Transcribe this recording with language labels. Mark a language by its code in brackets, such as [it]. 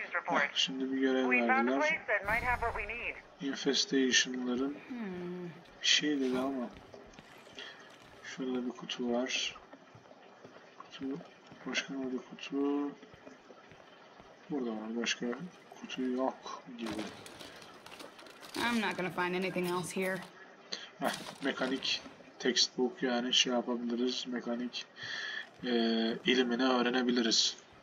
[tr] Bak, şimdi bir görev verdiler. Infestation'ların bir şey dedi ama şurada bir kutu var. Kutu. Başka ne oldu, kutu? Burada var, başka kutu yok gibi. [en] I'm not gonna find anything else here. [tr] Mekanik textbook, yani şey yapabiliriz, mekanik ilmini öğrenebiliriz.